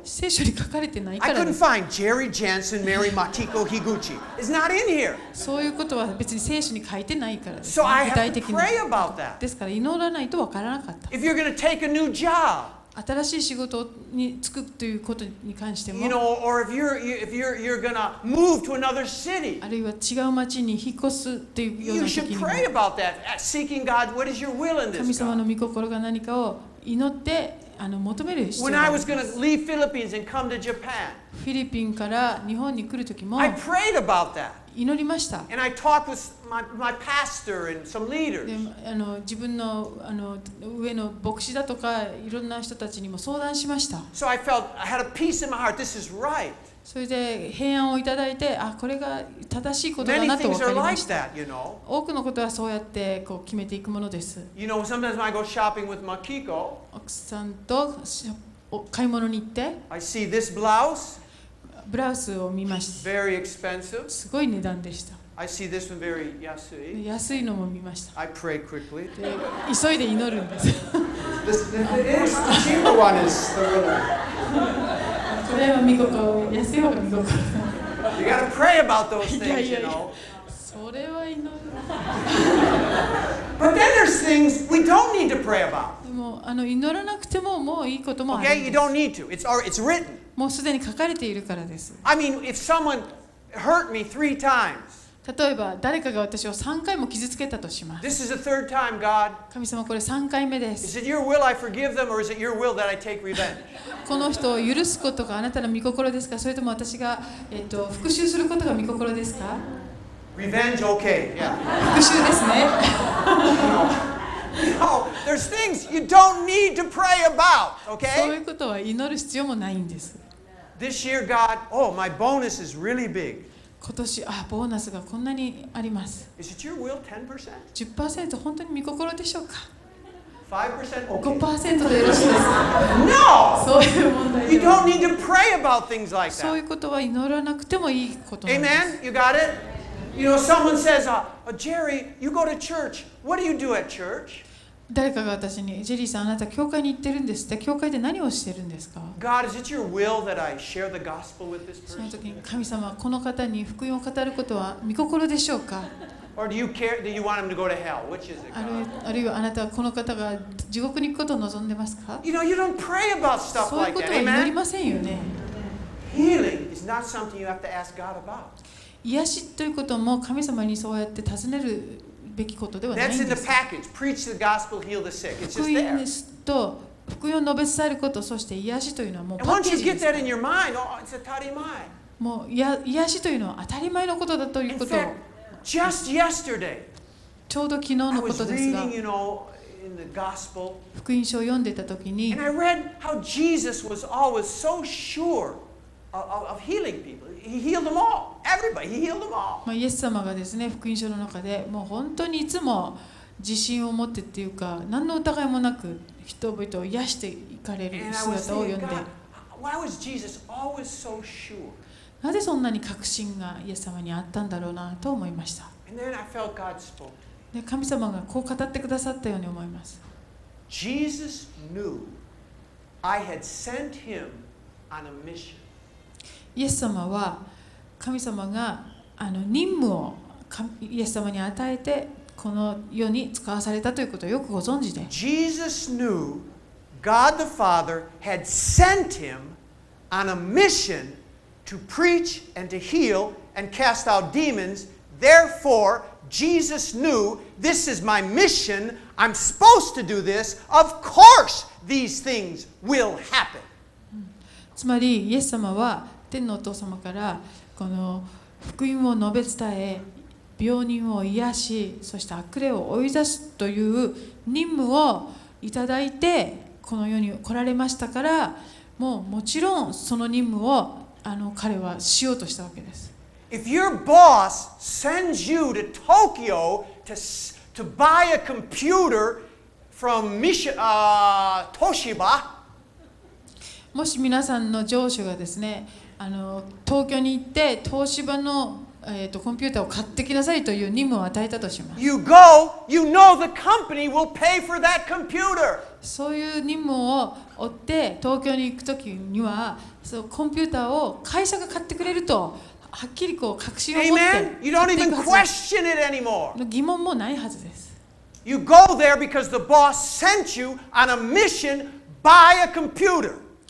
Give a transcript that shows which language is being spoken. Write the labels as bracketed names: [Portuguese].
[Japanese] 聖書に書かれてないから。 [English] I couldn't find Jerry Jansen, Mary Makiko Higuchi. It's not in here. [Japanese] そういうことは別に聖書に書いてないからです。 [English] So I have to pray about that. [Japanese] ですから祈らないとわからなかった。 [English] If you're going to take a new job. [Japanese] 新しい仕事に就くということに関しても、 [English] You know, or if you're going to move to another city. [Japanese] あるいは違う町に引っ越すというような時にも、 [English] You should pray about that, seeking God, what is your will in this? [Japanese] 神様の御心が何かを祈って求める必要があります。 [English] When I was going to leave Philippines and come to Japan. [Japanese] フィリピンから日本に来る時も、 [English] I prayed about that. [Japanese] 祈りました。 [English] And I talked with my pastor and some leaders. [Japanese] 自分の上の牧師だとかいろんな人たちにも相談しました。 [English] So I felt I had a peace in my heart. This is right. [Japanese] それで平安をいただいて、あ、これが正しいことだなと分かりました。多くのことはそうやってこう決めていくものです。 [English] You know, sometimes when I go shopping with Makiko, [Japanese] 奥さんと買い物に行って、 [English] I see this blouse. [Japanese] ブラウスを見ました。 [English] Very expensive. [Japanese] すごい値段でした。 [English] I see this one very [Japanese] 安い。安いのも見ました。 [English] I pray quickly. [Japanese] で急いで祈るんです。 [English] The cheaper one is the real one. [Japanese] これは見事。安い方が見事。 [English] You gotta pray about those things, you know. [Japanese] それは祈る。 [English] But then there's things we don't need to pray about. [Japanese] でも祈らなくてももういいこともあるんです。 [English] Okay, you don't need to. It's written. [Japanese] もうすでに書かれているからです。 [English] I mean, if someone hurt me three times, [Japanese] 例えば誰かが私を3回も傷つけたとします。 [English] This is the third time, God. [Japanese] 神様、これ3回目です。 [English] Is it your will I forgive them, or is it your will that I take revenge? [Japanese] この人を許すことがあなたの御心ですか、それとも私が復讐することが御心ですか。 [English] Revenge, okay, yeah. [Japanese] 復讐ですね。 [English] No, there's things you don't need to pray about, okay? [Japanese] そういうことは祈る必要もないんです。 [English] This year, God, oh, my bonus is really big. [Japanese] 今年、ボーナスがこんなにあります。 [English] Is it your will 10%? [Japanese] 10% 本当に見心でしょうか? [English] 5%? Okay. [Japanese] 5% でよろしいですか? [English] No! [Japanese] そういう問題で。 [English] You don't need to pray about things like that. [Japanese] そういうことは祈らなくてもいいことなんです。 [English] Amen? You got it? You know, someone says, Jerry, you go to church. What do you do at church? [Japanese] 誰かが私に、ジェリーさん、あなた教会に行ってるんですって。教会で何をしてるんですか? [English] God, is it your will that I share the gospel with this person? [Japanese] その時に、神様、この方に福音を語ることは御心でしょうか? [English] Or do you care that you want him to go to hell? Which is it, God? [Japanese] あるいはあなたはこの方が地獄に行くことを望んでますか? [English] You know, you don't pray about stuff like that. [Japanese] そういうことは祈りませんよね。 [English] Healing is not something you have to ask God about. [Japanese] 癒しということも神様にそうやって尋ねるべきことではないんです。 [English] Preach the gospel, heal the sick. It's just there. [Japanese] 福音と福音を述べ伝えること、そして癒しというのはもうパッケージです。 [English] Once you get that in your mind, [Japanese] もう癒しというのは当たり前のことだということを。 [English] Just yesterday, [Japanese] ちょうど昨日のことですが、福音書を読んでいたときに、 [English] and I read how Jesus was always so sure of healing people. He healed them all. Everybody. He healed them all. [Japanese] まあ、イエス様がですね、福音書の中でもう本当にいつも自信を持ってっていうか、何の疑いもなく人々を癒していかれる姿を読んで。 [English] Why was Jesus always so sure? [Japanese] なぜそんなに確信がイエス様にあったんだろうなと思いました。 [English] And then I felt God spoke. [Japanese] で、神様がこう語ってくださったように思います。 [English] Jesus knew I had sent him on a mission. [Japanese] イエス様は神様が任務をイエス様に与えてこの世に使わされたということをよくご存知で。 [English] Jesus knew God the Father had sent him on a mission to preach and to heal and cast out demons. Therefore, Jesus knew this is my mission. I'm supposed to do this. Of course, these things will happen. [Japanese] つまりイエス様は天のお父様からこの福音を述べ伝え病人を癒しそして悪霊を追い出すという任務をいただいてこの世に来られましたからもうもちろんその任務を彼はしようとしたわけです。 [English] If your boss sends you to Tokyo to buy a computer from Toshiba, [Japanese] もし皆さんの上司がですね東京に行って東芝の、コンピューターを買ってきなさいという任務を与えたとします。 [English] You go, you know the company will pay for that computer. [Japanese] そういう任務を追って東京に行くときにはそのコンピューターを会社が買ってくれるとはっきりこう確信を持って [English] Amen. You don't even question it anymore. [Japanese] 疑問もないはずです。 [English] You go there because the boss sent you on a mission by a computer.